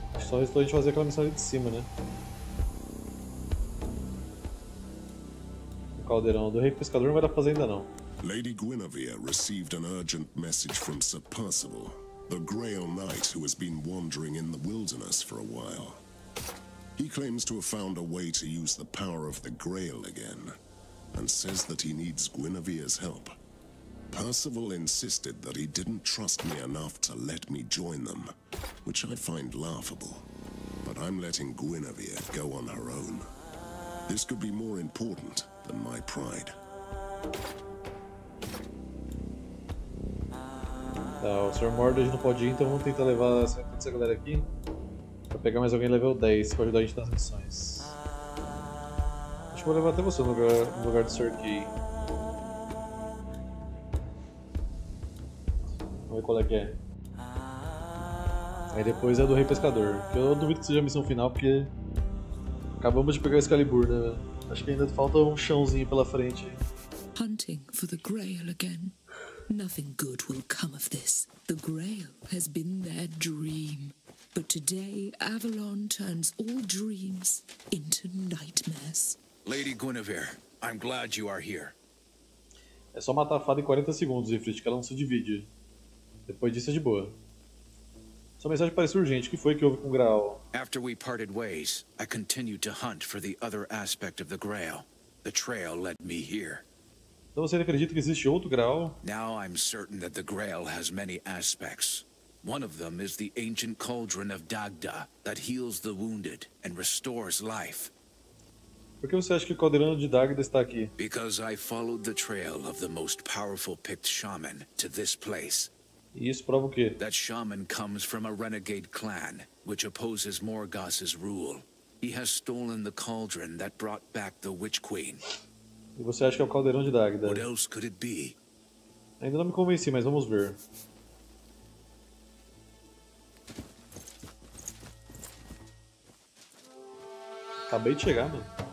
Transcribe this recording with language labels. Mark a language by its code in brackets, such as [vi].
[pt] A gente fazer aquela missão ali de cima, né? O caldeirão do rei pescador não vai dar pra fazer ainda não. [en] Lady Guinevere received an urgent message from Sir Percival, the Grail Knight who has been wandering in the wilderness for a while. He claims to have found a way to use the power of the Grail again, and says that he needs Guinevere's help. Percival insisted that he didn't trust me enough to let me join them, which I find laughable. But I'm letting Guinevere go on her own. This could be more important than my pride. [pt] Tá, o Sr. Mordor não pode ir, então vamos tentar levar essa galera aqui pra pegar mais alguém level 10 pra ajudar a gente nas missões. Acho que vou levar até você no lugar do Sr. Key. Vamos ver qual é que é. Aí depois é do Rei Pescador, que eu duvido que seja a missão final, porque acabamos de pegar o Excalibur, né? Acho que ainda falta um chãozinho pela frente. [en] Hunting for the Grail again. Nothing good will come of this. The Grail has been their dream. But today, Avalon turns all dreams into nightmares. Lady Guinevere, I'm glad you are here. [pt] É só matar a fada em 40 segundos, Ifrit, que ela não se divide. Depois disso é de boa. Sua mensagem parece urgente. O que foi que houve com o Graal? [en] After we parted ways, I continued to hunt for the other aspect of the Grail. The trail led me here. [pt] Então você acredita que existe outro Graal? [en] Now I'm certain that the Grail has many aspects. One of them is the ancient cauldron of Dagda that heals the wounded and restores life. [pt] Por que você acha que o caldeirão de Dagda está aqui? [en] Because I followed the trail of the most powerful Pict shaman to this place. [pt] E isso prova o quê? [en] That shaman comes from a renegade clan, which opposes Morgoth's rule. He has stolen the cauldron that brought back the Witch Queen. [pt] E você acha que é o caldeirão de Dagda? [en] What else could it be? [pt] Ainda não me convenci, mas vamos ver. Acabei de chegar, mano.